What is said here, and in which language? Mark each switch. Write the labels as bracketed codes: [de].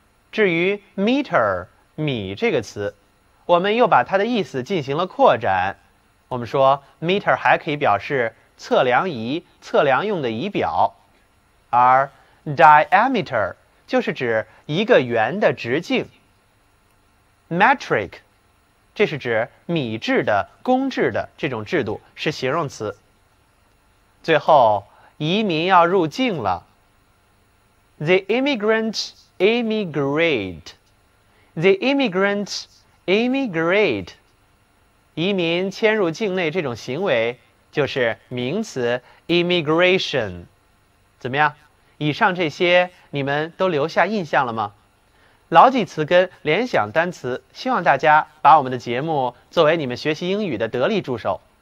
[zh] 至于 meter 米这个词，我们又把它的意思进行了扩展，我们说 meter 还可以表示测量仪、测量用的仪表，而 diameter 就是指一个圆的直径。 metric 这是指米制的、公制的这种制度，是形容词。最后，移民要入境了。 [en] The immigrant immigrate. The immigrant immigrate. [zh] 移民迁入境内这种行为就是名词 immigration。怎么样，以上这些你们都留下印象了吗？牢记词根，联想单词，希望大家把我们的节目作为你们学习英语的得力助手。